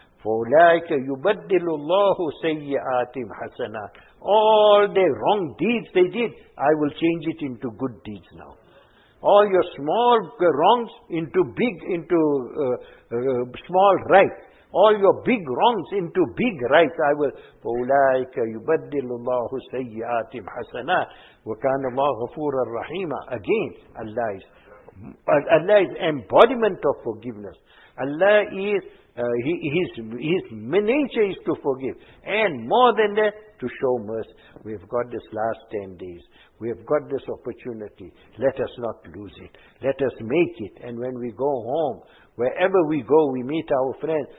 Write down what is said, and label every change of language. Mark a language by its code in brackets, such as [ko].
[ar] For ulaika yubaddilullahu sayyatim hasanat. [en] All the wrong deeds they did, I will change it into good deeds now. All your small wrongs into big, into small rights. All your big wrongs into big rights. [ar] I will, فَأُولَٰئِكَ يُبَدِّلُ اللَّهُ سَيِّئَاتِمْ حَسَنًا وَكَانَ اللَّهُ غَفُورًا رَحِيمًا. [en] Again, Allah is embodiment of forgiveness. Allah is his nature is to forgive, and more than that, to show mercy. We have got this last 10 days. We have got this opportunity. Let us not lose it. Let us make it. And when we go home, wherever we go, we meet our friends.